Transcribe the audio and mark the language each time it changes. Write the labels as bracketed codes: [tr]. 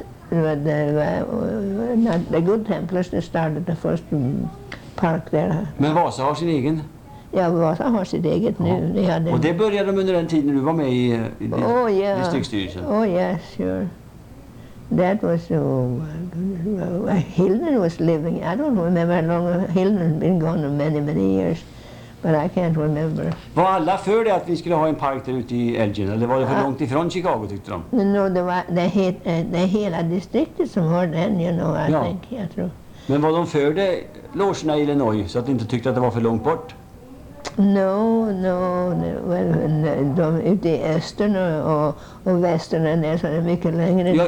[sv] Ja, det var... [en] The Good Templars, they started the first park there. [sv] Men Vasa har sin egen? Ja, Vasa har sitt eget nu. Ja, det. Och det började de under den tiden du var med i distriktsstyrelsen? [en] Oh, yes, sure. That was so. Hilden was living. I don't remember how long Hilden been gone, many years, but I can't remember. [sv] Var alla för det att vi skulle ha en park där ute i Elgin? Eller var det för långt ifrån Chicago, tyckte de? No, det var det hela distriktet som var den, [en] you know, I think, [sv] jag tror. Men var de för det, logerna i Illinois, så att de inte tyckte att det var för långt bort? No, ute i östern och västern är det så mycket längre.